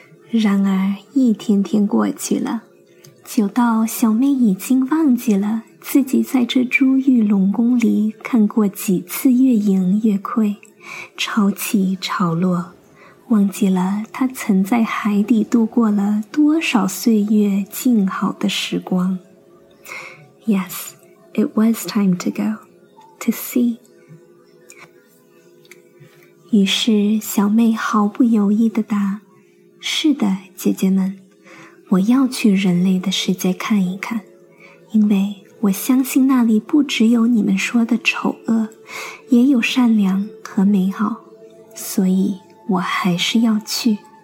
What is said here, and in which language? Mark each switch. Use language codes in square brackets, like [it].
[zh] 然而一天天过去了，久到小妹已经忘记了自己在这珠玉龙宫里看过几次月盈月亏、潮起潮落，忘记了她曾在海底度过了多少岁月静好的时光。 [en] Yes, it was time to go, to see. [zh] 于是小妹毫不犹豫地答，是的，姐姐们，我要去人类的世界看一看，因为我相信那里不只有你们说的丑恶，也有善良和美好，所以我还是要去。